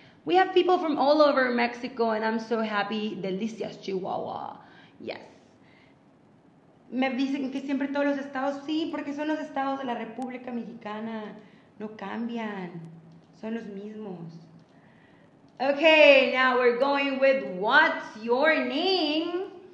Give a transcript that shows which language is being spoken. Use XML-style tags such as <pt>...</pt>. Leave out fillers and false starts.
<en>We have people from all over Mexico, and I'm so happy. Delicias, Chihuahua. Yes.</en> <es>Me dicen que siempre todos los estados, sí, porque son los estados de la República Mexicana. No cambian. Son los mismos.</es> <en>Okay, now we're going with What's Your Name?</en>